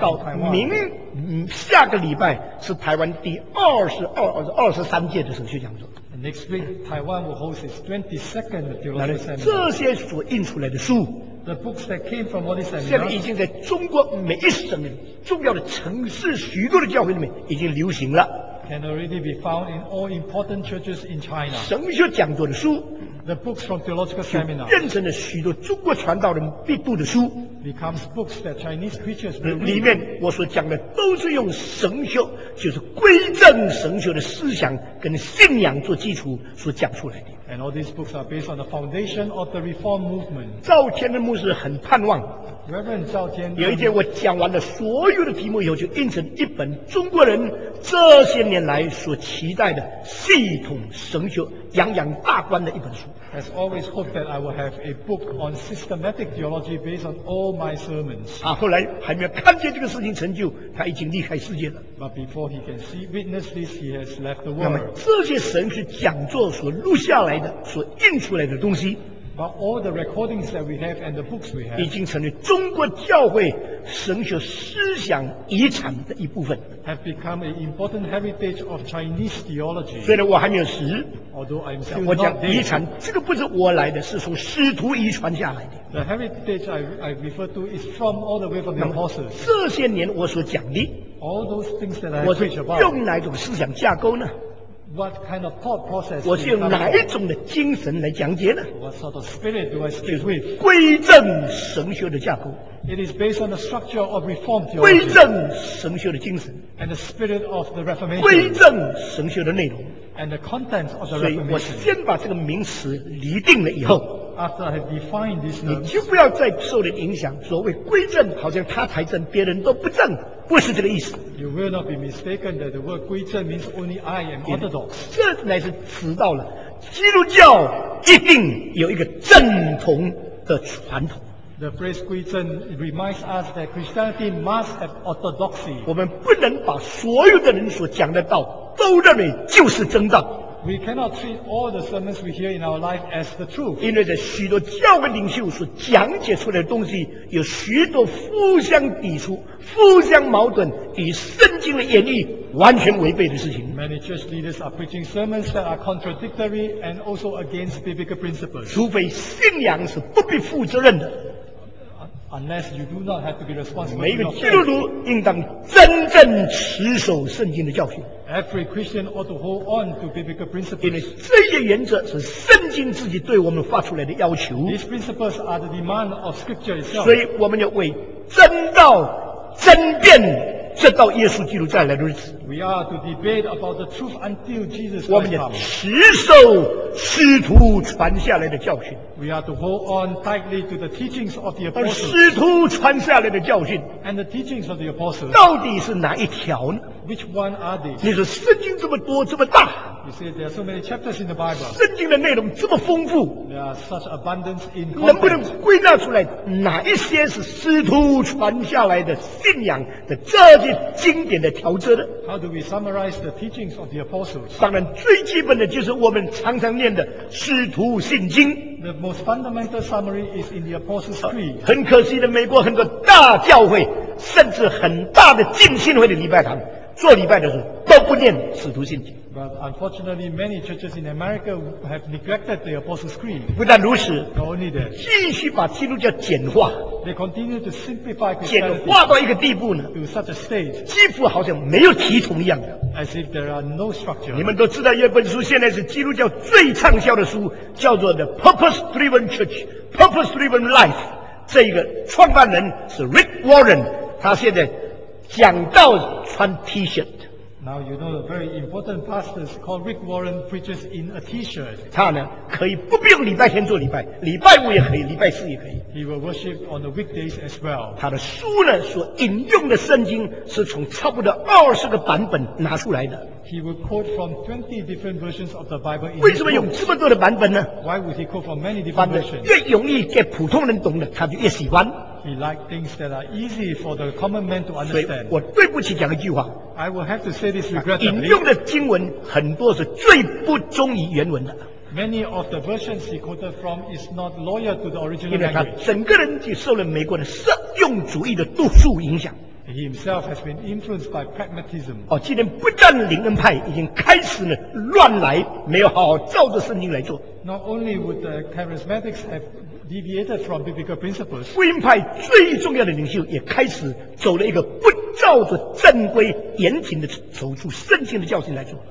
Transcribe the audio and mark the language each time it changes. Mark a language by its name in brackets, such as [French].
[Chinese] 到明下个礼拜是台湾第23届的神学讲座。 [English] And next week, Taiwan will host its 22nd theological seminar. [Chinese] 这些所印出来的书。 [English] The books that came from all these seminars, [Chinese] 现在已经在中国每一省重要的城市许多的教会里面已经流行了 [English] can already be found in all important churches in China. [Chinese] 神学讲座的书 [English] the books from theological seminars, [Chinese] 变成了许多中国传道人必读的书 [English] becomes books that Chinese preachers will read. [Chinese] 里面我所讲的都是用神学就是归正神学的思想跟信仰做基础所讲出来的 [English] And all these books are based on the foundation of the reform movement. [Chinese] 赵天的牧师很盼望。 [English] Reverend 赵天。 [Chinese] 有一天我讲完了所有的题目以后，就印成一本中国人这些年来所期待的系统神学、洋洋大观的一本书。 [English] Has always hoped that I will have a book on systematic theology based on all my sermons. [Chinese] 啊，后来还没有看见这个事情成就，他已经离开世界了。 [English] But before he can see witness this, he has left the world. [Chinese] 那么这些神学讲座所录下来的、所印出来的东西。 [English] But all the recordings that we have and the books we have [Chinese] 已经成为中国教会神学思想遗产的一部分 [English] have become an important heritage of Chinese theology [Chinese] 虽然我还没有死 [English] although I'm still [Chinese] 我讲遗产这个不是我来的是从师徒遗传下来的 [English] the heritage I refer to is from all the way from the apostles [Chinese] 这些年我所讲的 [English] all those things that I preach about [Chinese] 用哪种思想架构呢 [English] What kind of thought process [Chinese] 我是用哪一种的精神来讲解呢 [English] What sort of spirit do I speak with? [Chinese] 归正神学的架构 [English] It is based on the structure of Reformed theology [Chinese] 归正神学的精神 [English] And the spirit of the Reformation [Chinese] 归正神学的内容 [English] And the contents of the Reformation [Chinese] 所以我先把这个名词厘定了以后 [English] After I have defined this term [Chinese] 你就不要再受人影响所谓归正好像他才正别人都不正不是这个意思 [English] You will not be mistaken that the word 归正 means only I am orthodox [Chinese] 这乃是迟到了基督教一定有一个正统的传统 [English] The phrase 归正 reminds us that Christianity must have orthodoxy [Chinese] 我们不能把所有的人所讲的道都认为就是真道 [English] We cannot treat all the sermons we hear in our life as the truth [Chinese] 因为在许多教会领袖所讲解出来的东西有许多互相抵触互相矛盾与圣经的演绎完全违背的事情 [English] Many church leaders are preaching sermons that are contradictory and also against biblical principles [Chinese] 除非信仰是不必负责任的 [English] Unless you do not have to be responsible [Chinese] 每一个基督徒应当真正持守圣经的教训 [English] Every Christian ought to hold on to biblical principles [Chinese] 因为这些原则是圣经自己对我们发出来的要求 [English] These principles are the demand of scripture itself [Chinese] 所以我们要为真道争辩直到耶稣基督再来的日子 [English] We are to debate about the truth until Jesus comes [Chinese] 我们要持守师徒传下来的教训 [English] We are to hold on tightly to the teachings of the apostles [Chinese] 师徒传下来的教训 [English] And the teachings of the apostles [Chinese] 到底是哪一条呢 [English] Which one are these [Chinese] 你说圣经这么多这么大 [English] You say there are so many chapters in the Bible [Chinese] 圣经的内容这么丰富 [English] There are such abundance in content [Chinese] 能不能归纳出来哪一些是师徒传下来的信仰的这些这些经典的条则的 [English] How do we summarize the teachings of the apostles? [Chinese] 当然最基本的就是我们常常念的使徒信经 [English] The most fundamental summary is in the Apostles' Creed [Chinese] 很可惜的美国很多大教会甚至很大的浸信会的礼拜堂做礼拜的时候都不念使徒信经 [English] But unfortunately, many churches in America have neglected the Apostles' Creed. [Chinese] 不但如此， [English] not only that, [Chinese] 继续把基督教简化。 [English] They continue to simplify Christianity. [Chinese] 简化到一个地步呢， [English] to such a stage, [Chinese] 几乎好像没有体统一样的。 [English] As if there are no structure. [Chinese] 你们都知道，有一本书现在是基督教最畅销的书，叫做《The Purpose-Driven Church》，Purpose-Driven Life。这一个创办人是 Rick Warren， 他现在讲道穿 T-shirt。 [English] Now you know a very important pastor called Rick Warren preaches in a T-shirt. [Chinese] 他呢可以不必用礼拜天做礼拜，礼拜五也可以，礼拜四也可以。 [English] He will worship on the weekdays as well. [Chinese] 他的书呢所引用的圣经是从差不多20个版本拿出来的。 [English] He will quote from 20 different versions of the Bible. [Chinese] 为什么用这么多的版本呢？ [English] Why would he quote from many different versions? [Chinese] 越容易给普通人懂的，他就越喜欢。 [English] He likes things that are easy for the common man to understand. [Chinese] 所以我对不起讲一句话。 [English] I will have to say this regrettably. [Chinese] 引用的经文很多是最不忠于原文的。 [English] Many of the versions he quoted from is not loyal to the original language. [Chinese] 因为他整个人就受了美国的实用主义的毒素影响。 [English] He himself has been influenced by pragmatism. [Chinese] 哦，今天不但灵恩派已经开始了乱来，没有好好照着圣经来做。 [English] Not only would the charismatics have deviated from biblical principles. [Chinese] 福音派最重要的领袖也开始走了一个不照着正规严谨的走出圣经的教训来做。